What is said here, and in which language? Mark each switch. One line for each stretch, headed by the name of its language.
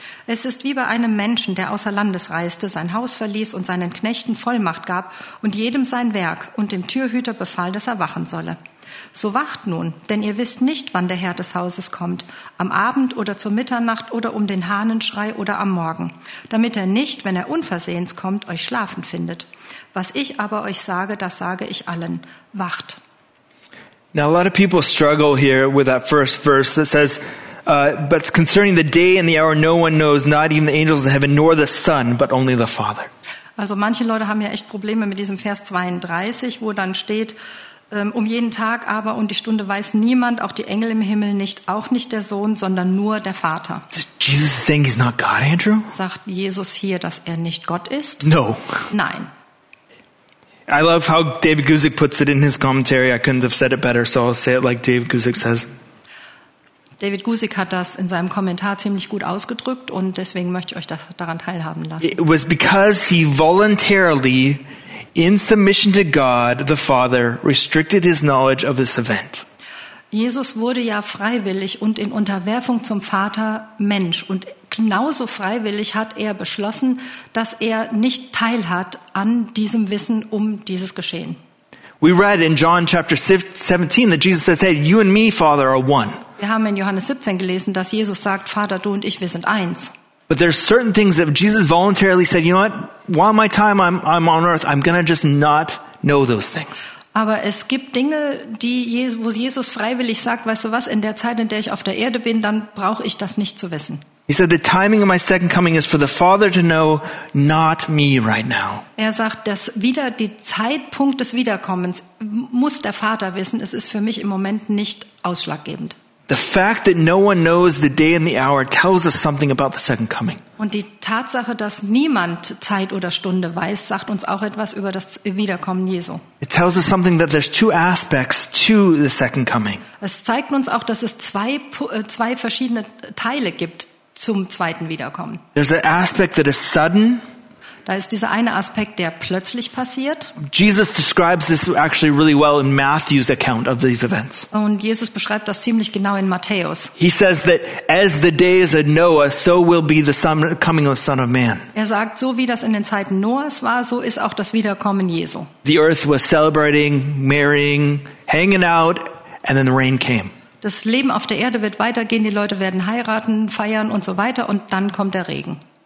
German: Es ist wie bei einem Menschen, der außer Landes reiste, sein Haus verließ und seinen Knechten Vollmacht gab und jedem sein Werk und dem Türhüter befahl, dass er wachen solle. So wacht nun, denn ihr wisst nicht, wann der Herr des Hauses kommt, am Abend oder zur Mitternacht oder um den Hahnenschrei oder am Morgen, damit er nicht, wenn er unversehens kommt, euch schlafen findet. Was ich aber euch sage, das sage ich allen. Wacht.
English: Now a lot of people struggle here with that first verse that says, but concerning the day and the hour no one knows, not even the angels of heaven nor the Son, but only the Father.
German: Also manche Leute haben ja echt Probleme mit diesem Vers 32, wo dann steht, um jeden Tag aber und die Stunde weiß niemand, auch die Engel im Himmel nicht, auch nicht der Sohn, sondern nur der Vater.
English: Jesus is saying he's not God, Andrew?
German: Sagt Jesus hier, dass er nicht Gott ist?
English: No.
German: Nein.
English: I love how David Guzik puts it in his commentary. I couldn't have said it better, so I'll say it like David Guzik says.
German: David Guzik hat das in seinem Kommentar ziemlich gut ausgedrückt und deswegen möchte ich euch das daran teilhaben lassen.
English: It was because he voluntarily, in submission to God the Father, restricted his knowledge of this event.
German: Jesus wurde ja freiwillig und in Unterwerfung zum Vater Mensch. Und genauso freiwillig hat er beschlossen, dass er nicht teilhat an diesem Wissen um dieses Geschehen.
English: We read in John chapter 17 that Jesus says, hey, you and me, Father, are one.
German: Wir haben in Johannes 17 gelesen, dass Jesus sagt, Vater, du und ich, wir sind eins.
English: But there's certain things that Jesus voluntarily said, you know what, while my time I'm on earth, I'm going to just not know those things.
German: Aber es gibt Dinge, die Jesus, wo Jesus freiwillig sagt, weißt du was, in der Zeit, in der ich auf der Erde bin, dann brauche ich das nicht zu wissen.
English: He said, the timing of my second coming is for the Father to know, not me right now.
German: Er sagt, dass wieder die Zeitpunkt des Wiederkommens muss der Vater wissen. Es ist für mich im Moment nicht ausschlaggebend.
English: The fact that no one knows the day and the hour tells us something about the second coming.
German: Und die Tatsache, dass niemand Zeit oder Stunde weiß, sagt uns auch etwas über das Wiederkommen Jesu.
English: It tells us something that there's two aspects to the second coming.
German: Es zeigt uns auch, dass es zwei verschiedene Teile gibt zum zweiten Wiederkommen.
English: There's an aspect that is sudden.
German: Da ist dieser eine Aspekt, der plötzlich passiert.
English: Jesus describes this actually really well in Matthew's account of these events.
German: Und Jesus beschreibt das ziemlich genau in Matthäus.
English: He says that as the days of Noah, so will be the coming of the Son of Man.
German: Er sagt, so wie das in den Zeiten Noahs war, so ist auch das Wiederkommen Jesu.
English: The earth was celebrating, marrying, hanging out, and then the rain came.
German: Das Leben auf der Erde wird weitergehen, die Leute werden heiraten, feiern und so weiter, und dann kommt der Regen.